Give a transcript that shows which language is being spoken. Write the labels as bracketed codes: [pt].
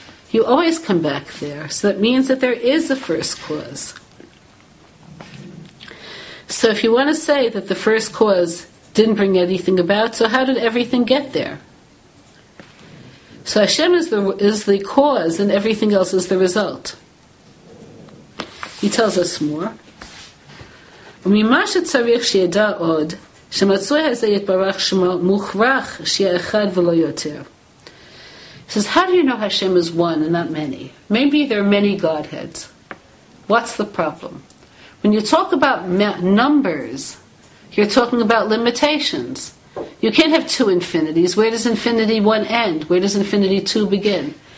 [en] You always come back there. So that means that there is a first cause. So if you want to say that the first cause didn't bring anything about, so how did everything get there? So Hashem is the cause and everything else is the result. He tells us more. [he] וממה שצריך שידע עוד, שמצוי הזה יתברך שמו מוכרח שיהיה אחד ולא יותר. [en] He says, how do you know Hashem is one and not many? Maybe there are many Godheads. What's the problem? When you talk about numbers, you're talking about limitations. You can't have two infinities. Where does infinity one end? Where does infinity two begin?